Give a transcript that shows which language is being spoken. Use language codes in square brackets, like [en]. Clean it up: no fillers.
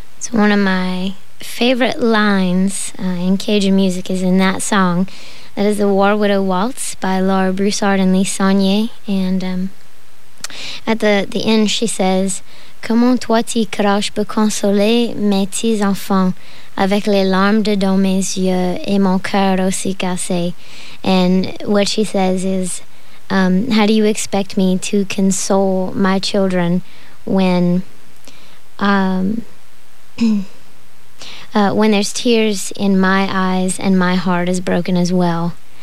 [en] One of my favorite lines in Cajun music is in that song. That is the War Widow Waltz by Laura Broussard and Lise Saunier. And at the end, she says, [fr] Comment toi tu craches pour consoler mes petits enfants avec les larmes de dans mes yeux et mon cœur aussi cassé? [en] And what she says is, how do you expect me to console my children when... when there's tears in my eyes and my heart is broken as well.